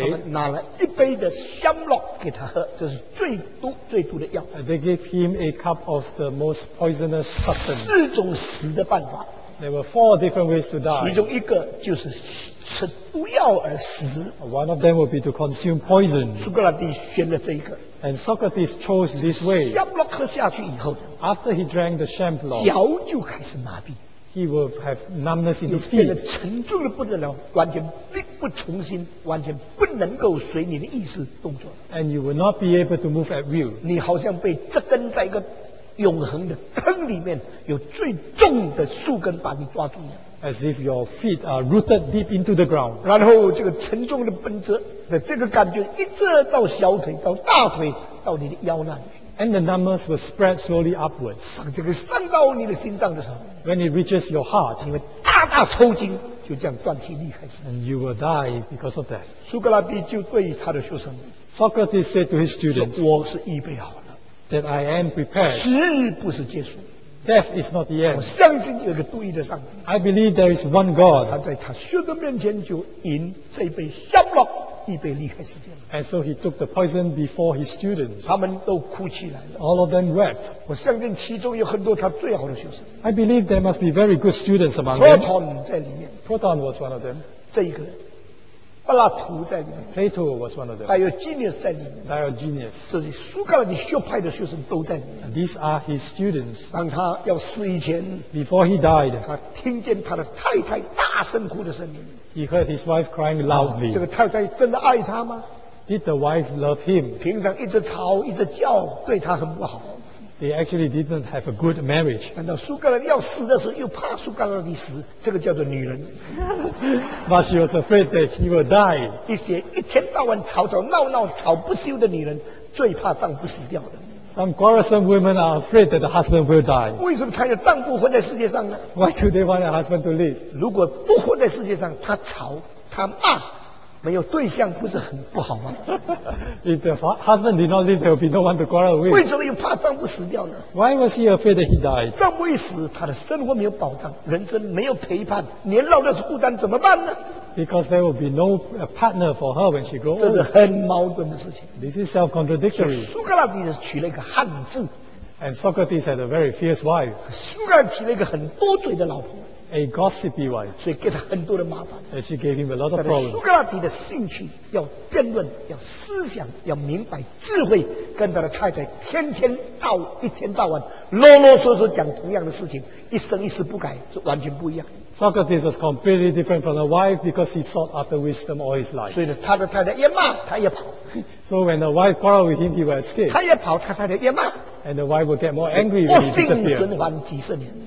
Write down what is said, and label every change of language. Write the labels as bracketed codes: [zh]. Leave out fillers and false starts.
[zh] 他们拿了一杯的香酪给他喝，这是最毒最毒的药。 [en] They gave him a cup of the most poisonous substance. [zh] 四种死的办法。 [en] There were four different ways to die. [zh] 其中一个就是吃毒药而死。 [en] One of them would be to consume poison. [zh] 苏格拉底选了这一个。 [en] And Socrates chose this way. [zh] 香酪喝下去以后 [en] ，After he drank the champlock, [zh] 脚就开始麻痹。 [en] He will have numbness in his feet. [zh] 变得沉重的不得了，完全力不从心，完全不能够随你的意思动作。 [en] And you will not be able to move at will. [zh] 你好像被扎根在一个永恒的坑里面，有最重的树根把你抓住。 [en] As if your feet are rooted deep into the ground. [zh] 然后这个沉重的绷着的这个感觉，一直到小腿，到大腿，到你的腰那里。 [en] And the numbness will spread slowly upwards. [zh] 这个伤到你的心脏的时候。 [en] When it reaches your heart, [zh] 因为大大抽筋，就这样断气离开。 [en] And you will die because of that. [zh] 苏格拉底就对于他的学生 [en] ，Socrates said to his students, [zh] 我是预备好了 [en] ，that I am prepared. [zh] 死不是结束 [en] ，death is not the end. [zh] 我相信有个独一的上帝 [en] ，I believe there is one God. [zh] 他在他学生面前就饮这杯香酪，预备离开世界。 [en] And so he took the poison before his students. [zh] 他们都哭起来了。 [en] All of them wept. [zh] 我相信其中有很多他最好的学生。 [en] I believe there must be very good students among them. [zh] Proton 在里面。 [en] Proton was one of them. [zh] 这一个人。柏拉图在里面。 [en] Plato was one of them. [zh] Diogenes 在里面。 [en] Diogenes. [zh] 这些苏格拉底学派的学生都在里面。 [en] And these are his students. [zh] 当他要死以前。 [en] Before he died. [zh] 他听见他的太太大声哭的声音。 [en] He heard his wife crying loudly. [zh] 这个太太真的爱他吗？ [en] Did the wife love him? [zh] 平常一直吵一直叫，对他很不好。 [en] They actually didn't have a good marriage. [zh] 难道苏格拉底要死的时候又怕苏格拉底死？这个叫做女人。 [en] But she was afraid that he would die. [zh] 一些一天到晚吵吵闹闹、吵不休的女人，最怕丈夫死掉的。 [en] Some quarrelsome women are afraid that the husband will die. [zh] 为什么她有丈夫活在世界上呢 [en] ？Why do they want their husband to live? [zh] 如果不活在世界上，她吵，她骂。没有对象不是很不好吗？ [en] If the husband did not live, there would be no one to quarrel with. [zh] 为什么又怕丈夫死掉呢？ [en] Why was he afraid that he died? [zh] 丈夫一死，他的生活没有保障，人生没有陪伴，年老的孤单怎么办呢？ [en] Because there will be no partner for her when she grows old. [zh] 这是很矛盾的事情。 [en] This is self-contradictory. [zh] 苏格拉底娶了一个汉妇。 [en] And Socrates had a very fierce wife. [zh] 苏格拉娶了一个很多嘴的老婆。 [en] A gossipy wife. [zh] 所以给他很多的麻烦。 [en] And she gave him a lot of problems. [zh] 苏格拉底的兴趣要辩论，要思想，要明白智慧，跟他的太太天天到一天到晚啰啰嗦嗦讲同样的事情，一生一世不改，就完全不一样。 [en] Socrates was completely different from the wife because he sought after wisdom all his life. [zh] 所以他的太太也骂，他也跑。 [en] So when the wife quarreled with him, he would escape. [zh] 他也跑，他太太也骂。 [en] And the wife would get more angry when he disappeared.